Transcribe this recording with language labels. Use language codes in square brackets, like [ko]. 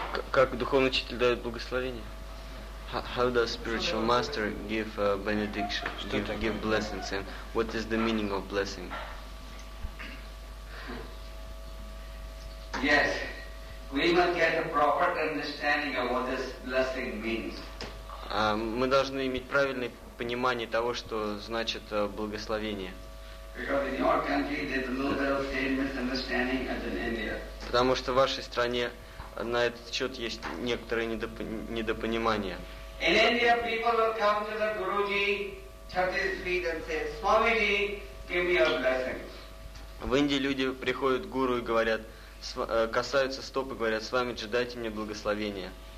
[ru] Как духовный учитель дает благословение? [en] How does spiritual master give benediction, give blessings, and what is the meaning of blessing? Yes, we must get a proper understanding of what this blessing means. [ru] Мы должны иметь правильное понимание того, что значит благословение. [en] Because in your country there's a little bit of same misunderstanding as in India. [ru] Потому что в вашей стране на этот счет есть некоторые недопонимания. [en] In India, people will come to the Guruji, touch his feet and say, Swamiji, give me your blessing. [ru] В Индии люди приходят к гуру и говорят, касаются стоп и говорят, Свамиджи, дайте мне благословение.